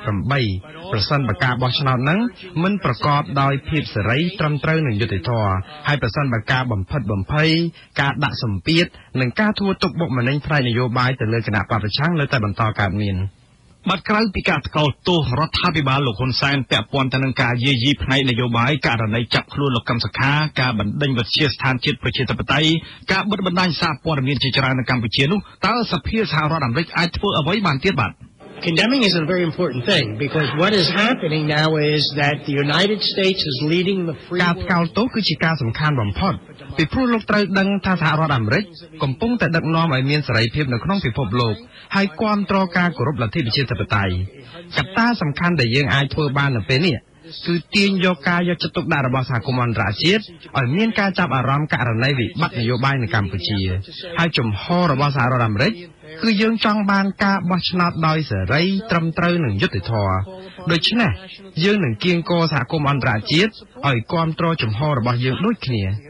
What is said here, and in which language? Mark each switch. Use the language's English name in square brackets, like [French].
[Khmer] 2018ប្រសិនបើការបោះឆ្នោតនឹងមិនប្រកបដោយភាពសេរីត្រឹមត្រូវនឹងយុត្តិធម៌ហើយប្រសិនបើការបំផិតបំភ័យការដាក់សម្ពាធនិងការធ្វើទុកបុកម្នេញផ្នែកនយោបាយទៅលើគណៈបព្វប្រឆាំងនៅតែបន្តកើតមាន បាត់ក្រៅពីការតកោលទោសរដ្ឋាភិបាលលោកហ៊ុនសែនពាក់ព័ន្ធទៅនឹងការយាយីផ្នែកនយោបាយករណីចាប់ខ្លួនលោកកឹមសុខាការបណ្តេញវិជ្ជាស្ថានជាតិប្រជាធិបតេយ្យការបិទបណ្តាញសារព័ត៌មានជាច្រើននៅកម្ពុជានោះតើសភាសហរដ្ឋអាមេរិកអាចធ្វើអ្វីបានទៀតបាទ [English] Condemning is a very important thing because what is happening now is that the United States is leading the free world. [Khmer] ការកោតទោសគឺជាការសំខាន់បំផុតពីព្រោះលោកត្រូវដឹងថាសហរដ្ឋអាមេរិកកំពុងតែដឹកនាំឲ្យមានសេរីភាពនៅក្នុងពិភពលោកហើយគាំទ្រការគោរពលទ្ធិប្រជាធិបតេយ្ យកត្តាសំខាន់ដែលយើងអាចធ្វើបាននៅពេលនេះគឺទាញយកការយកចិត្តទុកដាក់របស់សហគមន៍អន្តរជាតិឲ្យមានការចាប់អារម្មណ៍ករណីវិបត្តិនយោបាយនៅកម្ពុជាហើយជំហររបស់សហរដ្ឋអាមេរិកគឺយើងចង់បានការបោះឆ្នោតដោយសេរីត្រឹមត្រូវនិងយុត្តិធម៌ដូច្នេះយើងនឹងគៀងគរសហគមន៍អន្តរជាតិឲ្យគាំទ្រជំហររបស់យើងដូចគ្នា